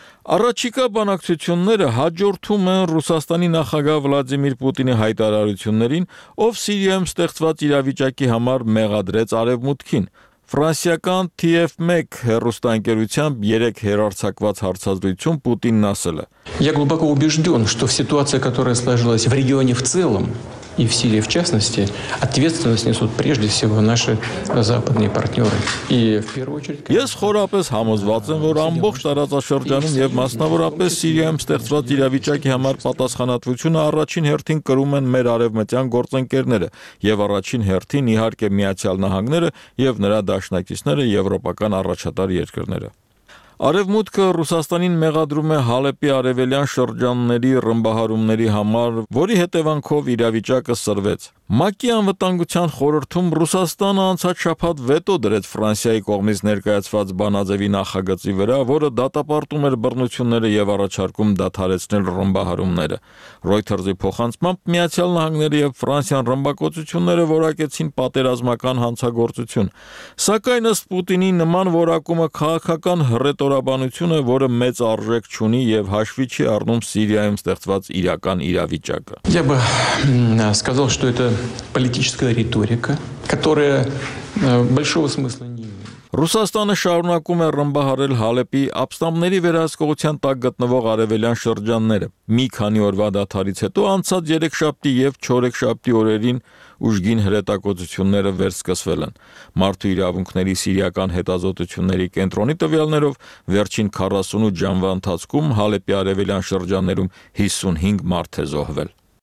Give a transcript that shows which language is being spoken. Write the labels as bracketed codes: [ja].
[hy] Առաջիկա բանակցությունները հաջորդում են Ռուսաստանի նախագահ Վլադիմիր Պուտինի հայտարարություններին, ով Սիրիայում ստեղծված իրավիճակի համար մեղադրեց Արևմուտքին։ Ֆրանսիական TF1 հեռուստաընկերությամբ 3 հերարցակված հարցազրույցում Պուտինն ասել է. [ru] Я глубоко убеждён, что в ситуации, которая сложилась в регионе в целом и в Сирии в частности, ответственность несут прежде всего наши западные партнёры. И в первую очередь, [hy] ես խորապես համոզված եմ, որ ամբողջ տարածաշրջանում եւ մասնավորապես Սիրիայում ստեղծված իրավիճակի համար պատասխանատվությունը առաջին հերթին կրում են մեր արևմտյան գործընկերները եւ առաջին հերթին իհարկե Միացյալ Նահանգները եւ նրա դաշնակիցները եվրոպական առաջատար երկրները։ Արևմուտքը Ռուսաստանին մեղադրում է Հալեպի արևելյան շրջանների ռմբահարումների համար, որի հետևանքով իրավիճակը սրվեց։ ՄԱԿ-ի անվտանգության խորհրդում Ռուսաստանը անցած շաբաթ վետո դրեց Ֆրանսիայի կողմից ներկայացված բանաձևի նախագծի վրա, որը դատապարտում էր բռնությունները եւ առաջարկում դադարեցնել ռմբահարումները։ Ռոյթերզի փոխանցմամբ Միացյալ Նահանգների եւ Ֆրանսիան ռմբակոծությունները որակեցին պատերազմական հանցագործություն։ Սակայն ըստ Պուտինի նման որակումը քաղաքական հռետորաբանություն է, որը մեծ արժեք չունի եւ հաշվի չի առնում Սիրիայում ստեղծված իրական իրավիճակը։ [ru] Это политическая риторика, которая большого смысла не имеет. [hy] Ռուսաստանը շարունակում է ռմբահարել Հալեպի ապստամբների վերահսկողության տակ գտնվող արևելյան շրջանները։ Մի քանի օրվա դադարից հետո անցած 3 շաբթի եւ 4 շաբթի օրերին ուժգին հրետակոծությունները վերսկսվել են։ Մարդու իրավունքների սիրիական հետազոտությունների կենտրոնի տվյալներով վերջին 48 ժամվա ընթացքում Հալեպի արևելյան շրջաններում 55 մարդ է զոհվել։